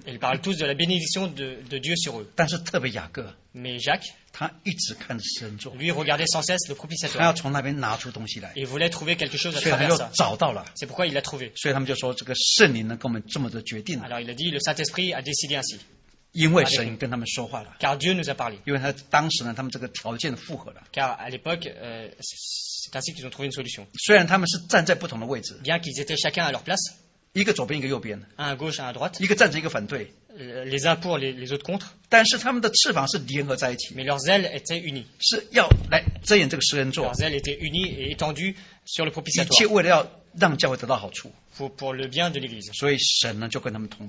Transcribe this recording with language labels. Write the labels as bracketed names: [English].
[French] Ils parlent tous de la bénédiction de Dieu sur eux. [Chinese] 但是特别雅各。 [French] Mais Jacques. [Chinese] 他一直看着施恩座。 [French] Lui regardait sans cesse le propitiatoire. [Chinese] 他要从那边拿出东西来。 [French] Il voulait trouver quelque chose à travers ça. [Chinese] 所以他们就找到了。 [French] C'est pourquoi il l'a trouvé. [Chinese] 所以他们就说这个圣灵能跟我们这么多决定了。 [French] Alors il a dit le Saint-Esprit a décidé ainsi. [Chinese] 因为神跟他们说话了。 [French] Car Dieu nous a parlé. [Chinese] 因为他当时呢，他们这个条件符合了。 [French] Car à l'époque, c'est ainsi qu'ils ont trouvé une solution. [Chinese] 虽然他们是站在不同的位置。 [French] Bien qu'ils étaient chacun à leur place. [Chinese] 一个左边，一个右边。 [French] Un à gauche, un à droite. [Chinese] 一个站着，一个反对。 [French] Les uns pour, les autres contre. [Chinese] 但是他们的翅膀是联合在一起。 [French] Mais leurs ailes étaient unies. [Chinese] 是要来遮掩这个施恩座。 [French] Leurs ailes étaient unies et étendues sur le propitiatoire. [Chinese] 一切为了要让教会得到好处。 [French] Pour le bien de l'Église. [Chinese] 所以神呢就跟他们同工。